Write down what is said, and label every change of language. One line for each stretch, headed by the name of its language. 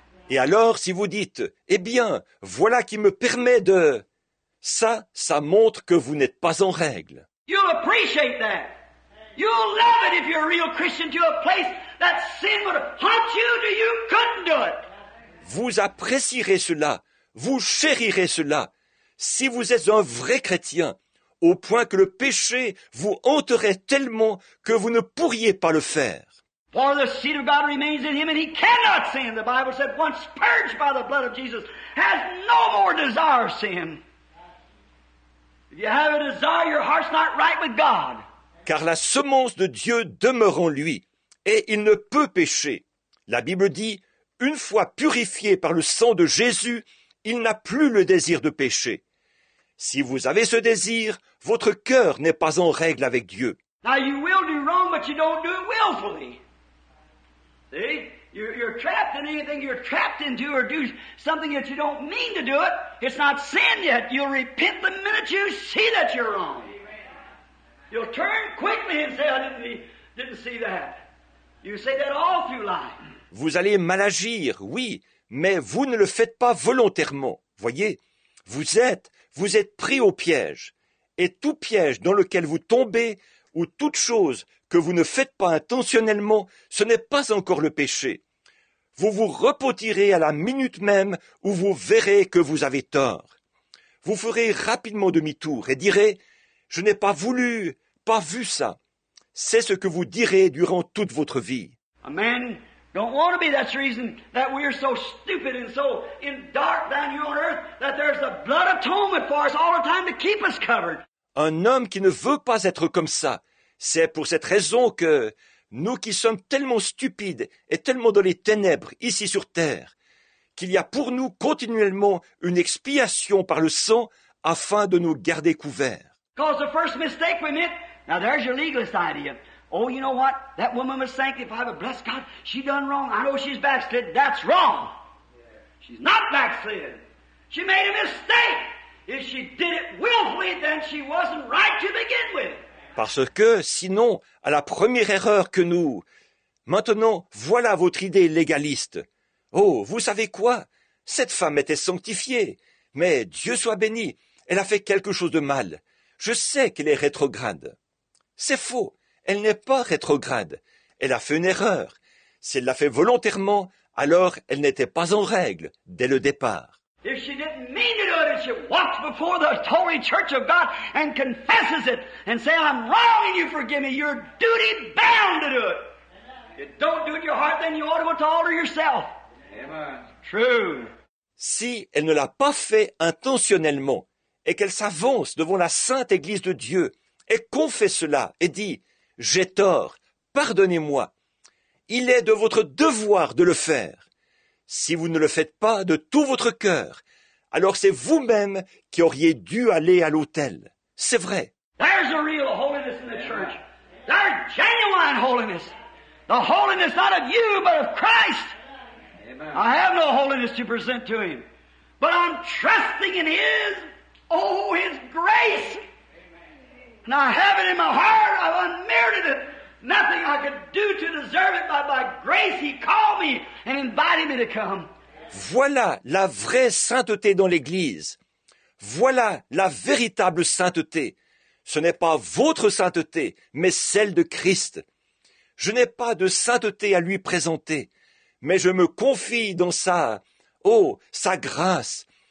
French: Et alors, si vous dites, eh bien, voilà qui me permet de... Ça, ça montre que vous n'êtes pas en règle.
English: You'll appreciate that. You'll love it if you're a real Christian to a place that sin would haunt you to you couldn't do it.
French: Vous apprécierez cela. Vous chérirez cela. Si vous êtes un vrai chrétien, au point que le péché vous hanterait tellement que vous ne pourriez pas le faire.
English: For the seed of God remains in him and he cannot sin. The Bible said once purged by the blood of Jesus has no more desire of sin. If you have a desire, your heart's not right with God.
French: Car la semence de Dieu demeure en lui, et il ne peut pécher. La Bible dit, une fois purifié par le sang de Jésus, il n'a plus le désir de pécher. Si vous avez ce désir, votre cœur n'est pas en règle avec Dieu.
English: Now you will do wrong, but you don't do it willfully. See, you're trapped in anything you're trapped into, or do something that you don't mean to do it. It's not sin yet. You'll repent the minute you see that you're wrong. You'll turn quickly and say, I didn't see that. You say that all through life.
French: Vous allez mal agir, oui, mais vous ne le faites pas volontairement. Voyez, vous êtes pris au piège. Et tout piège dans lequel vous tombez, ou toute chose que vous ne faites pas intentionnellement, ce n'est pas encore le péché. Vous vous repentirez à la minute même où vous verrez que vous avez tort. Vous ferez rapidement demi-tour et direz, je n'ai pas voulu, pas vu ça. C'est ce que vous direz durant toute votre vie.
English: Amen. Don't want to be. That's the reason that we are so stupid and so in dark down here on earth that there's a blood atonement for us all the time to keep us covered.
French: un homme qui ne veut pas être comme ça. C'est pour cette raison que nous qui sommes tellement stupides et tellement dans les ténèbres ici sur terre, qu'il y a pour nous continuellement une expiation par le sang afin de nous garder couverts.
English: Cause the first mistake we made. Now there's your legalist idea. Oh, you know what? That woman was sanctified, but bless God, she done wrong. I know she's backslid. That's wrong. She's not backslid. She made a mistake. If she did it willfully, then she wasn't right to begin with.
French: Parce que sinon, à la première erreur que nous... Maintenant, voilà votre idée légaliste. Oh, vous savez quoi? Cette femme était sanctifiée. Mais Dieu soit béni, elle a fait quelque chose de mal. Je sais qu'elle est rétrograde. C'est faux. Elle n'est pas rétrograde. Elle a fait une erreur. Si elle l'a fait volontairement, alors elle n'était pas en règle dès le départ.
English: If she didn't mean to do it, if she walks before the Holy Church of God and confesses it and say, I'm wrong and you forgive me, you're duty bound to do it. If you don't do it in your heart, then you ought to go to altar yourself. Amen. True.
French: Si elle ne l'a pas fait intentionnellement et qu'elle s'avance devant la Sainte Église de Dieu et confesse cela et dit, j'ai tort, pardonnez-moi. Il est de votre devoir de le faire. Si vous ne le faites pas de tout votre cœur, alors c'est vous-même qui auriez dû aller à l'autel. C'est vrai.
English: There's a real holiness in the church. There's genuine holiness. The holiness not of you, but of Christ. Amen. I have no holiness to present to him. But I'm trusting in his, oh, his grace. And I have it in my heart, I've unmerited it. Nothing I could do to deserve it, but by grace he called me and invited me to come.
French: Voilà la vraie sainteté dans l'Église. Voilà la véritable sainteté. Ce n'est pas votre sainteté, mais celle de Christ. Je n'ai pas de sainteté à lui présenter, mais je me confie dans sa, oh, sa grâce.